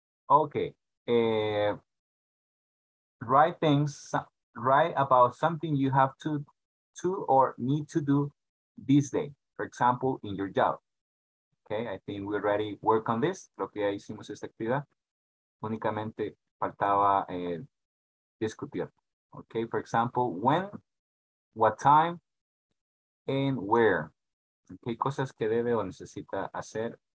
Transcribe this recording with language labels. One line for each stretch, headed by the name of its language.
English: Okay, write about something you have to or need to do this day, for example, in your job. Okay, I think we already work on this.
Spanish: Lo que ya hicimos esta actividad, únicamente faltaba discutir.
English: Okay, for example, when, what time, and where.
Spanish: Okay, cosas que debe o necesita hacer.